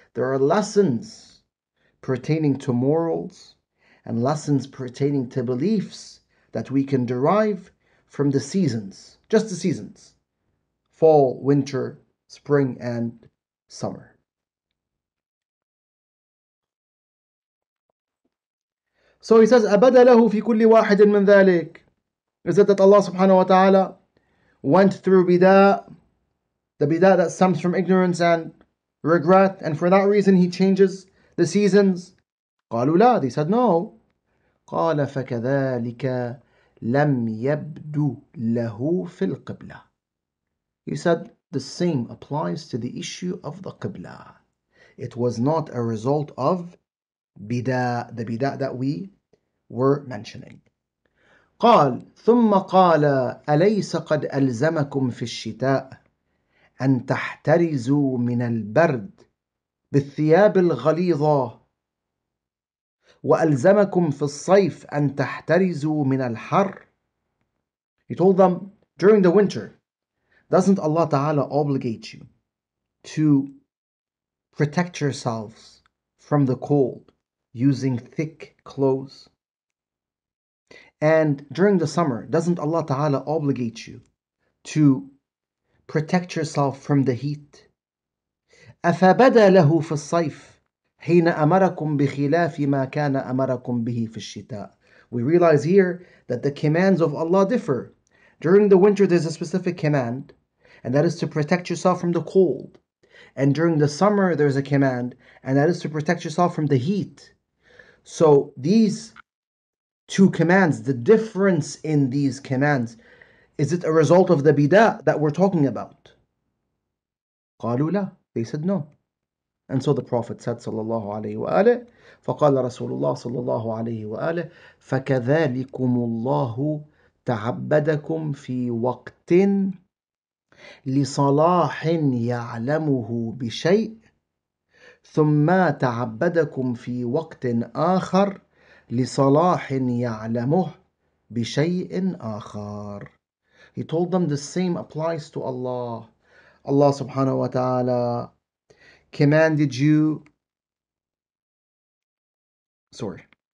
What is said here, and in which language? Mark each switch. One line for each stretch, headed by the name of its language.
English: There are lessons pertaining to morals and lessons pertaining to beliefs that we can derive from the seasons, just the seasons, fall, winter, spring and summer. So he says,
Arabic: أَبَدَ لَهُ فِي كُلِّ وَاحِدٍ مِّن ذَلِكَ.
English: Is it that Allah subhanahu wa ta'ala went through bid'ah, the bid'ah that stems from ignorance and regret, and for that reason he changes the seasons?
Arabic: قَالُوا لَا.
English: They said, no.
Arabic: قَالَ فَكَذَلِكَ لَمْ يَبْدُ لَهُ فِي الْقِبْلَةِ.
English: He said, the same applies to the issue of the Qibla. It was not a result of bid'ah, the bid'ah that we were mentioning.
Arabic: قال ثم قال أليس قد ألزمكم في الشتاء أن تحترزوا من البرد بالثياب الغليظة وألزمكم في الصيف أن تحترزوا من الحر.
English: He told them, during the winter, doesn't Allah Ta'ala obligate you to protect yourselves from the cold using thick clothes? And during the summer, doesn't Allah Ta'ala obligate you to protect yourself from the heat?
Arabic: أَفَبَدَ لَهُ فِي الصَّيْفِ حِينَ أَمَرَكُمْ بِخِلَافِ مَا كَانَ أَمَرَكُمْ بِهِ فِي الشِّتَاءِ.
English: We realize here that the commands of Allah differ. During the winter, there's a specific command, and that is to protect yourself from the cold. And during the summer, there's a command, and that is to protect yourself from the heat. So these two commands, the difference in these commands, is it a result of the bid'ah that we're talking about?
Arabic: قالوا لا.
English: They said no. And so the Prophet said,
Arabic: sallallahu alayhi wa alayhi, فَقَالَ رَسُولُ اللَّهِ sallallahu alayhi wa alayhi, فَكَذَلِكُمُ اللَّهُ تَعَبَّدَكُمْ فِي وَقْتٍ لِصَلَاحٍ يَعْلَمُهُ بِشَيْءٍ ثُمَّ تَعَبَّدَكُمْ فِي وَقْتٍ آخَرٍ لِصَلَاحٍ يَعْلَمُهُ بِشَيْءٍ آخَرٍ.
English: He told them the same applies to Allah. Allah subhanahu wa ta'ala commanded you. Sorry.